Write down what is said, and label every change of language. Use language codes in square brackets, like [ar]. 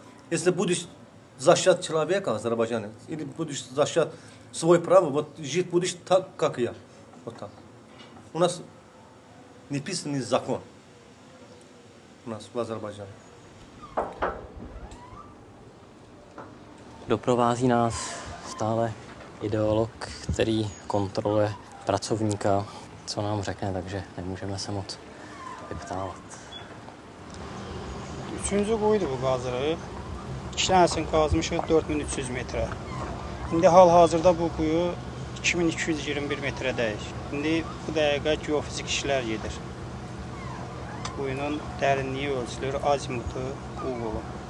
[ru] Если будешь защищать человека в Азербайджане, или будешь защищать свое право, вот жить будешь так, как я. Вот так. У нас не писанный закон у нас в Азербайджане. [cs] Doprovází nás stále ideolog, který kontroluje pracovníka, co nám řekne, takže nemůžeme se moc vyptávat. [az] Üçüncü qoydu bu qazırı. İkinəsini qazmışıq 4300 metrə. İndi hal-hazırda bu quyu 2221 metrədəyik. İndi bu dəqiqə geofizik işlər gedir. Quyunun dərinliyi ölçülür, azimutu, uğulu.